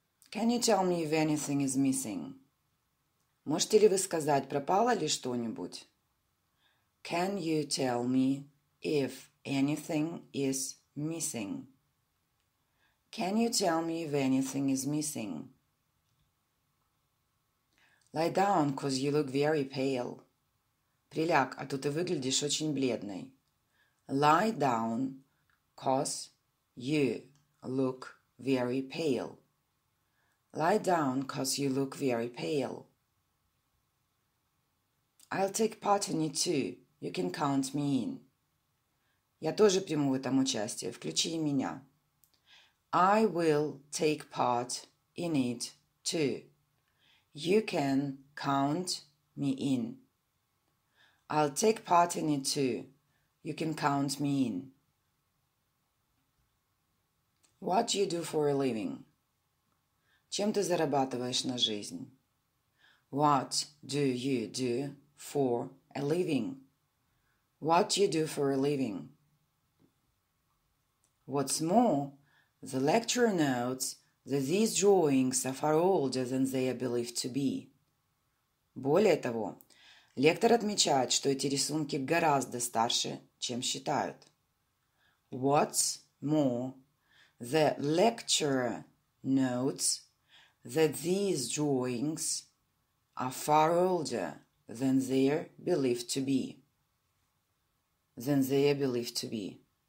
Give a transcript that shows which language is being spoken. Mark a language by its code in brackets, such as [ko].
[en] Can you tell me if anything is missing? [ru] Можете ли вы сказать, пропало ли что-нибудь? [en] Can you tell me if anything is missing? Can you tell me if anything is missing? Lie down, cause you look very pale. [ru] Приляг, а то ты выглядишь очень бледной. [en] Lie down, cause you look very pale. Lie down, cause you look very pale. I'll take part in it too. You can count me in. [ru] Я тоже приму в этом участие. Включи и меня. [en] I will take part in it too. You can count me in. I'll take part in it too. You can count me in. What do you do for a living? [ru] Чем ты зарабатываешь на жизнь? [en] What do you do for a living? What do you do for a living? What's more, the lecturer notes that these drawings are far older than they are believed to be. [ru] Более того, лектор отмечает, что эти рисунки гораздо старше, чем считают. [en] What's more, the lecturer notes that these drawings are far older than they are believed to be. Than they are believed to be.